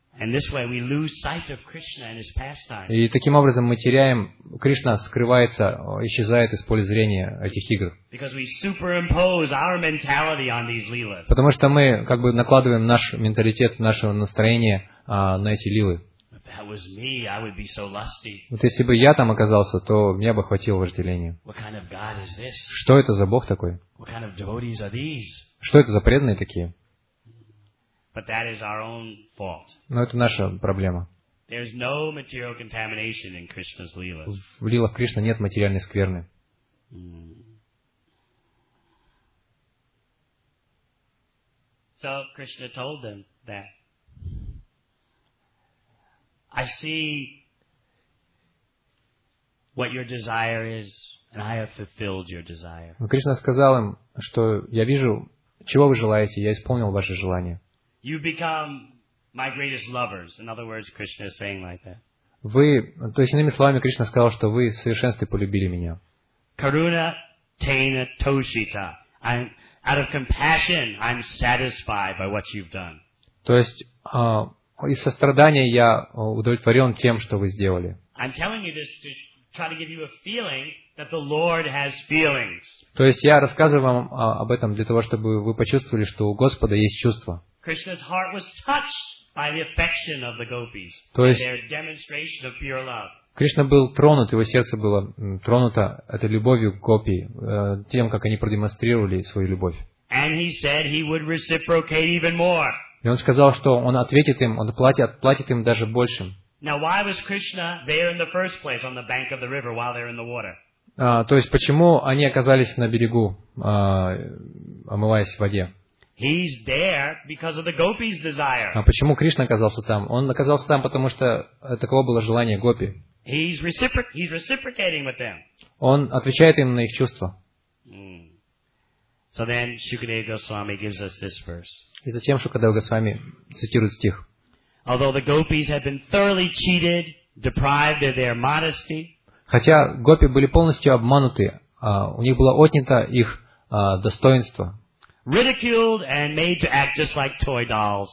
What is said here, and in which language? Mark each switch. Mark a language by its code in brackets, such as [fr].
[en] And this way we lose sight of Krishna and his pastimes. [ru] И таким образом мы теряем, Кришна скрывается, исчезает из поля зрения этих игр. [en] Because we superimpose our mentality on these leelas. [ru] Потому что мы как бы накладываем наш менталитет, наше настроение на эти лилы. [en] If that was me, I would be so lusty. [ru] Вот если бы я там оказался, то меня бы хватило вожделения. [en] What kind of God is this? [ru] Что это за Бог такой? [en] What kind of devotees are these? [ru] Что это за преданные такие? [en] But that is our own fault. [ru] Но это наша проблема. [en] There is no material contamination in Krishna's leelas. [ru] В лилах Кришны нет материальной скверны. [en] So Krishna told them that I see what your desire is, and I have fulfilled your desire. [ru] Кришна сказал им, что я вижу, чего вы желаете, я исполнил ваше желание. [en] You become my greatest lovers. In other words, Krishna is saying like that. [ru] Вы, то есть иными словами, Кришна сказал, что вы в совершенстве полюбили меня. [sa] Karuna tena toshita. [en] I'm out of compassion. I'm satisfied by what you've done. [ru] То есть из сострадания я удовлетворен тем, что вы сделали. [en] I'm telling you this to try to give you a feeling that the Lord has feelings. [ru] То есть я рассказываю вам об этом для того, чтобы вы почувствовали, что у Господа есть чувства. [en] Krishna's heart was touched by the affection of the gopis and their demonstration of pure love. [ru] Кришна был тронут, его сердце было тронуто этой любовью гопи, тем, как они продемонстрировали свою любовь. [en] And he said he would reciprocate even more. [ru] И он сказал, что он ответит им, он отплатит им даже большим. [en] Now why was Krishna there in the first place on the bank of the river while they're in the water? [ru] То есть почему они оказались на берегу, омываясь в воде? [en] He's there because of the gopis' desire. [ru] А почему Кришна оказался там? Он оказался там, потому что таково было желание гопи. [en] He's reciprocating with them. [ru] Он отвечает им на их чувства. [en] So then Shukadeva Goswami gives us this verse. [ru] И затем Шукадева Госвами цитирует стих. [en] Although the gopis had been thoroughly cheated, deprived of their modesty. [ru] Хотя гопи были полностью обмануты, у них было отнято их достоинство. [en] Ridiculed and made to act just like toy dolls.